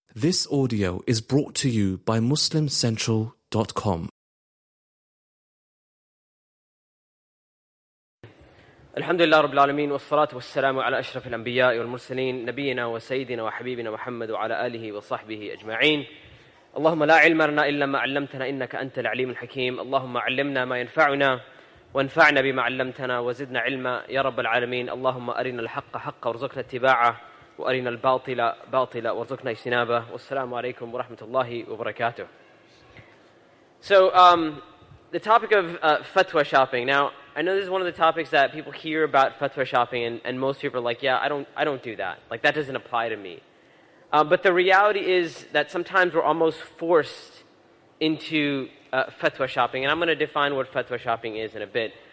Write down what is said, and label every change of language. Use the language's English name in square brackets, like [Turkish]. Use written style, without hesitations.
[English] This audio is brought to you by MuslimCentral.com. [Arabic] الحمد لله رب العالمين والصلاة والسلام على أشرف الأنبياء والمرسلين نبينا وسيدنا وحبيبنا محمد وعلى آله وصحبه أجمعين. اللهم لا علم لنا إلا ما علمتنا إنك أنت العليم الحكيم. اللهم علمنا ما ينفعنا وانفعنا بما علمتنا وزدنا علما يا رب العالمين. اللهم أرنا الحق حقا وارزقنا اتباعه وأرنا الباطل باطلا وارزقنا اجتنابه. والسلام عليكم ورحمة الله وبركاته. [English] The topic of fatwa shopping. Now, I know this is one of the topics that people hear about fatwa shopping, and most people are like, yeah, I don't do that. Like, that doesn't apply to me. But the reality is that sometimes we're almost forced into fatwa shopping, and I'm going to define what fatwa shopping is in a bit.